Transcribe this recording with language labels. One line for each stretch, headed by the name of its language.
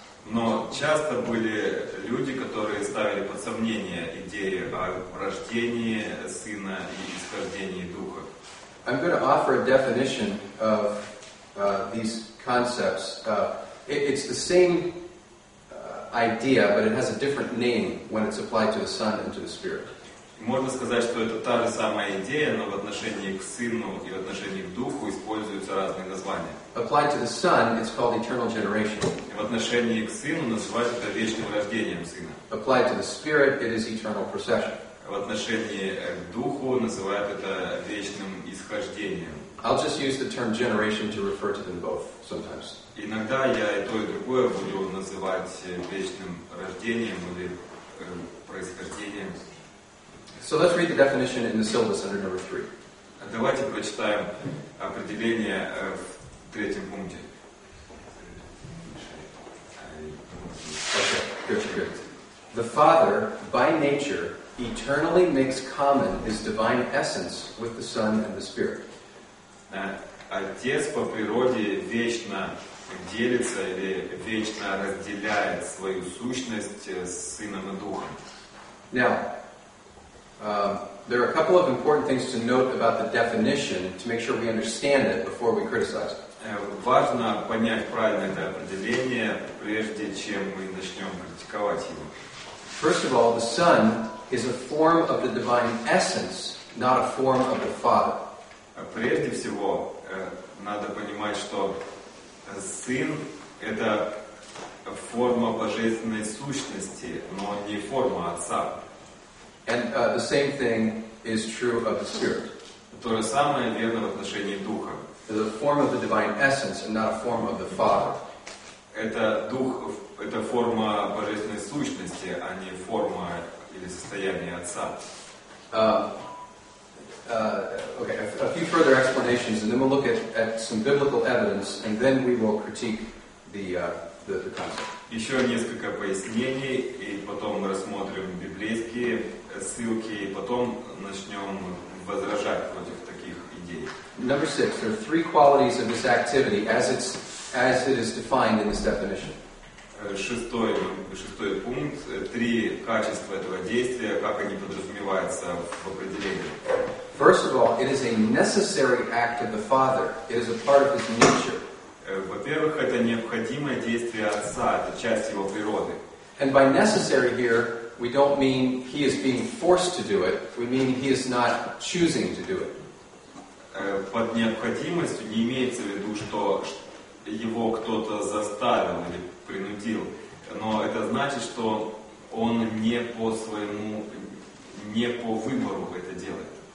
Russian: Но часто были люди, которые ставили под сомнение идеи о рождении Сына и исхождении Духа.
English: I'm going to offer a definition of these concepts. It's the same idea, but it has a different name when it's applied to the Son and to the Spirit.
Russian: Можно сказать, что это та же самая идея, но в отношении к Сыну и в отношении к Духу используются разные названия.
English: Applied to the Son, it's called eternal generation.
Russian: В отношении к Сыну называется это вечным рождением Сына.
English: Applied to the Spirit, it is eternal procession.
Russian: В отношении к Духу называют это вечным исхождением.
English: I'll just use the term generation to refer to them both sometimes.
Russian: Иногда я и то, и другое буду называть вечным рождением или происхождением.
English: So let's read the definition in the syllabus under number 3.
Russian: Давайте прочитаем определение в третьем пункте.
English: Okay, good. The Father, by nature, eternally makes common His divine essence with the Son and the Spirit.
Russian: Отец по природе вечно делится или вечно разделяет свою сущность с Сыном и Духом.
English: Now, there are a couple of important things to note about the definition to make sure we understand it before we criticize it.
Russian: Важно понять правильно это определение, прежде чем мы начнем критиковать его.
English: First of all, the Son is a form of the divine essence, not a form of the Father.
Russian: Прежде всего, надо понимать, что Сын — это форма божественной сущности, но не форма Отца.
English: And the same thing is true of the Spirit.
Russian: То же самое верно в отношении Духа.
English: The form of the divine essence and not a form of the Father.
Russian: Это Дух, это форма божественной сущности, а не форма или состояние Отца.
English: Okay, a few further explanations, and then we'll look at some biblical evidence, and then we will critique the concept.
Russian: Еще несколько пояснений, и потом мы рассмотрим библейские ссылки, и потом начнем возражать против таких идей.
English: Number 6. There are three qualities of this activity as it is defined in this definition.
Russian: Шестой пункт. Три качества этого действия, как они подразумеваются в определении.
English: First of all, it is a necessary act of the Father. It is a part of His nature.
Russian: Во-первых, это необходимое действие Отца, это часть Его природы.
English: And by necessary here, we don't mean He is being forced to do it, we mean He is not choosing to do it.
Russian: Под необходимостью не имеется в виду, что Его кто-то заставил или принудил, но это значит, что Он не по своему, не по выбору это делает.